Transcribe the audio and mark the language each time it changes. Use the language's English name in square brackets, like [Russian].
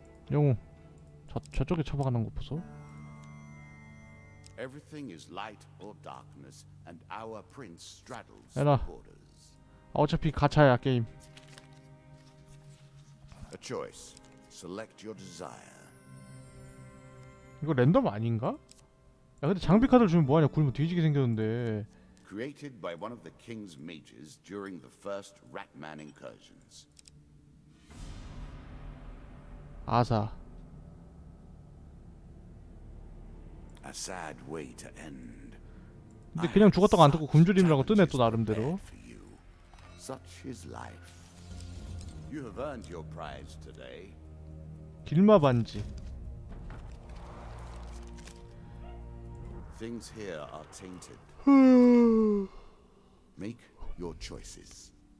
[Korean] 영웅 저쪽에 쳐박는 거 보소. [English] Everything is light or darkness, and our prince straddles the borders. [Korean] 어차피 가차야 게임. [English] A choice. Select your desire. [Korean] 이거 랜덤 아닌가? 야 근데 장비 카드를 주면 뭐하냐? 굴면 뒤지게 생겼는데. [English] Created by one of the king's mages during the first Ratman incursions. [Korean] 아사. [English] A sad way to end. [Korean] 근데 그냥 죽었다고 안 듣고 굶주림이라고 뜨네 또 나름대로. [English] Such is life. You have earned your prize today. [Korean] 길마 반지. [English] Things here are tainted. Make your choices.